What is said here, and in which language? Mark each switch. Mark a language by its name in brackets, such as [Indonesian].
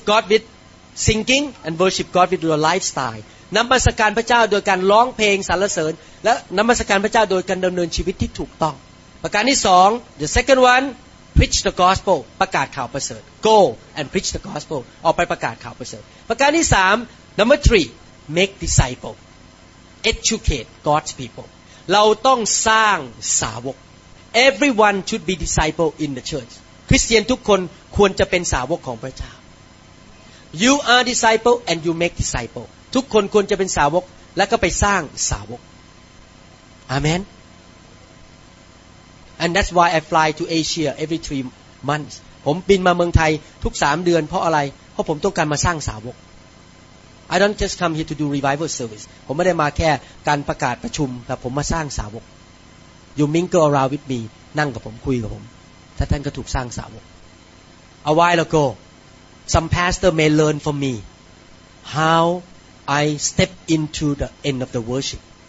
[English] with singing and worship God with your lifestyle [Thai] นมัสการพระเจ้าโดยการร้องเพลงสรรเสริญและนมัสการพระเจ้าโดยการดำเนินชีวิตที่ถูกต้องประการที่สอง [English] the second one preach the gospel [Thai] ประกาศข่าวประเสริฐ [English] go and preach the gospel [Thai] ออกไปประกาศข่าวประเสริฐประการที่สาม [English] number three make disciplesEducate God's people. [Thai] เราต้องสร้างสาวก [English] Everyone should be disciple in the church. [Thai] คริสเตียนทุกคนควรจะเป็นสาวกของพระเจ้า [English] You are disciple and you make disciple. [Thai] ทุกคนควรจะเป็นสาวกและก็ไปสร้างสาวก Amen. [English] And that's why I fly to Asia every 3 months. [Thai] ผมบินมาเมืองไทยทุก3 เดือนเพราะอะไรเพราะผมต้องการมาสร้างสาวก [English] I don't just come here to do revival service. [Thai] ผมไม่ได้มาแค่การประกาศประชุมแต่ผมมาสร้างสาวก [English] You mingle around with me. [Thai] นั่งกับผมคุยกับผมถ้าท่านก็ถูกสร้างสาวก [English] A while ago, some pastor may learn from me how I step into the end of the worship.